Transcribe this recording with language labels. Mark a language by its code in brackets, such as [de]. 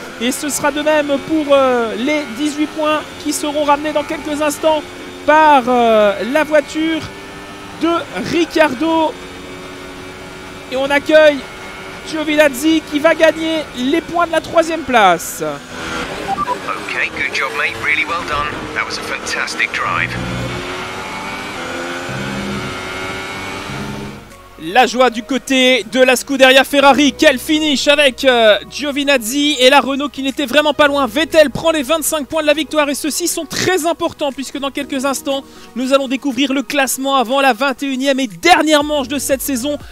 [fr] Et ce sera de même pour les 18 points qui seront ramenés dans quelques instants par la voiture de Ricciardo. Et on accueille Giovinazzi qui va gagner les points de la troisième place. [en] Okay, good job mate, really well done. That was a fantastic drive. [fr] La joie du côté de la Scuderia Ferrari, quel finish avec Giovinazzi et la Renault qui n'était vraiment pas loin. Vettel prend les 25 points de la victoire et ceux-ci sont très importants puisque dans quelques instants, nous allons découvrir le classement avant la 21e et dernière manche de cette saison.